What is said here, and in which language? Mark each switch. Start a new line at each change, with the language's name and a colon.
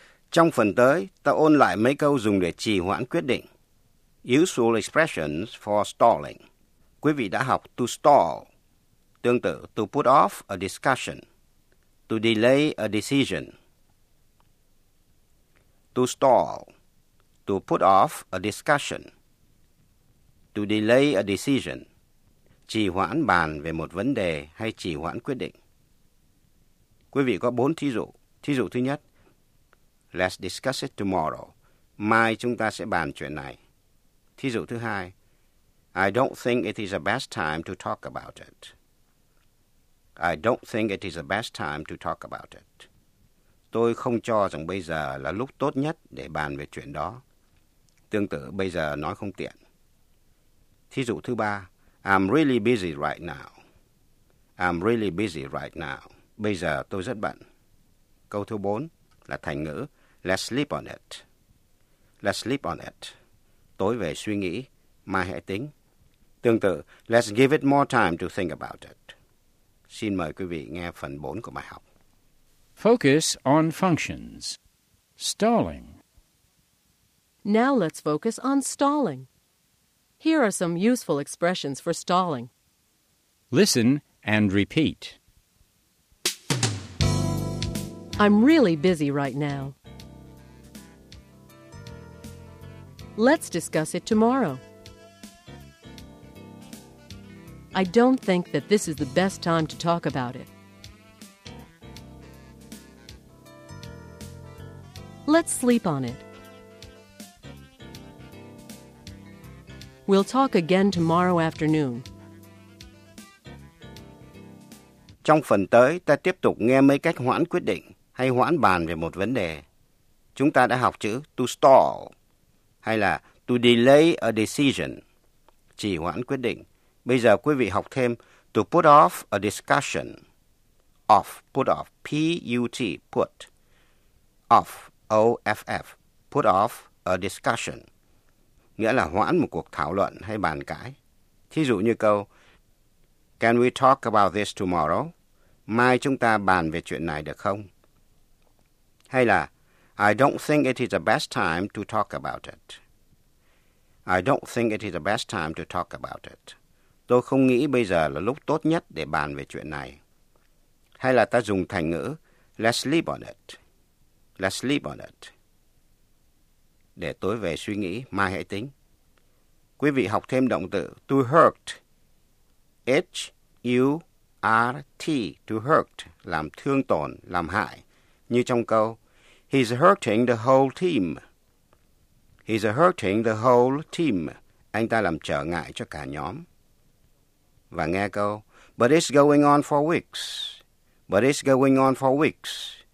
Vietnamese: Trong phần tới, ta ôn lại mấy câu dùng để trì hoãn quyết định.
English: Useful expressions for stalling.
Vietnamese: Quý vị đã học
English: to stall.
Vietnamese: Tương tự,
English: to put off a discussion. To To delay a decision. To stall. To put off a discussion. To delay a decision.
Vietnamese: Trì hoãn bàn về một vấn đề hay trì hoãn quyết định. Quý vị có bốn thí dụ. Thí dụ thứ nhất.
English: Let's discuss it tomorrow.
Vietnamese: Mai chúng ta sẽ bàn chuyện này. Thí dụ thứ hai.
English: I don't think it is the best time to talk about it. I don't think it is the best time to talk about it.
Vietnamese: Tôi không cho rằng bây giờ là lúc tốt nhất để bàn về chuyện đó. Tương tự bây giờ nói không tiện. Thí dụ thứ ba.
English: I'm really busy right now. I'm really busy right now.
Vietnamese: Bây giờ tôi rất bận. Câu thứ bốn là thành ngữ.
English: Let's sleep on it. Let's sleep on it.
Vietnamese: Tối về suy nghĩ. Mai hãy tính. Tương tự.
English: Let's give it more time to think about it.
Vietnamese: Xin mời quý vị nghe phần 4 của bài học.
English: Focus on functions. Stalling. Now let's focus on stalling. Here are some useful expressions for stalling. Listen and repeat. I'm really busy right now. Let's discuss it tomorrow. I don't think that this is the best time to talk about it. Let's sleep on it. We'll talk again tomorrow afternoon.
Vietnamese: Trong phần tới, ta tiếp tục nghe mấy cách hoãn quyết định hay hoãn bàn về một vấn đề. Chúng ta đã học chữ to stall hay là
English: to delay a decision,
Vietnamese: trì hoãn quyết định. Bây giờ quý vị học thêm
English: to put off a discussion. Off, put off, P-U-T, put. Off, O-F-F, put off a discussion.
Vietnamese: Nghĩa là hoãn một cuộc thảo luận hay bàn cãi. Thí dụ như câu,
English: can we talk about this tomorrow?
Vietnamese: Mai chúng ta bàn về chuyện này được không? Hay là,
English: I don't think it is the best time to talk about it. I don't think it is the best time to talk about it.
Vietnamese: Tôi không nghĩ bây giờ là lúc tốt nhất để bàn về chuyện này. Hay là ta dùng thành ngữ,
English: let's sleep on it. Let's sleep on it.
Vietnamese: Để tối về suy nghĩ, mai hãy tính. Quý vị học thêm động từ, to hurt. H-U-R-T, to hurt, làm thương tổn, làm hại. Như trong câu,
English: he's hurting the whole team. He's hurting the whole team.
Vietnamese: Anh ta làm trở ngại cho cả nhóm. Và nghe câu,
English: but it's going on for weeks. But it's going on for weeks.